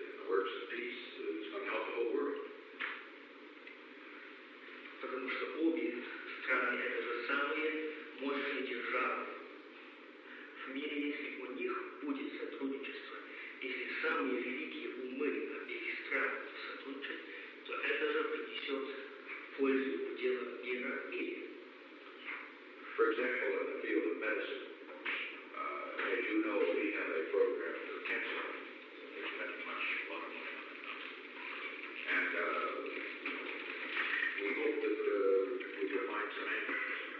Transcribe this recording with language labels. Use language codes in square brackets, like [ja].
[en] Works of peace is going to help the whole world. [ru] Потому что обе страны – это же самые мощные державы. В мире, если у них будет сотрудничество, если самые великие умы обеих стран сотрудничают, то это же принесет пользу делу мира и... [en] For example, in the field of medicine, as you know, we have a program for cancer. And we hope that we can find some answers.